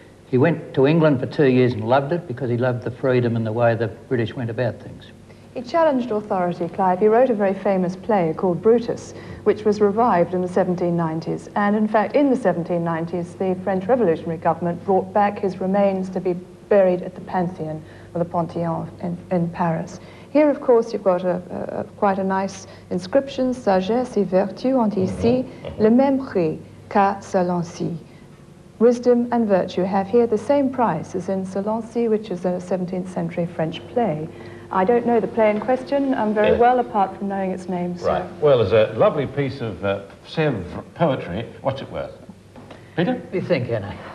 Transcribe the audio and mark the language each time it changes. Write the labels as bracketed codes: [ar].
[en] He went to England for 2 years and loved it because he loved the freedom and the way the British went about things. He challenged authority, Clive. He wrote a very famous play called Brutus, which was revived in the 1790s. And in fact, in the 1790s, the French revolutionary government brought back his remains to be buried at the Pantheon, or the Pantheon in Paris. Here, of course, you've got quite a nice inscription, [fr] Sagesse et Vertu ont ici le même prix qu'à Salancy. [en] Wisdom and virtue have here the same price as in Salancy, which is a 17th century French play. I don't know the play in question well, apart from knowing its name. So. Right. Well, as a lovely piece of Sèvres poetry, what's it worth? Peter? What do you think, Anna?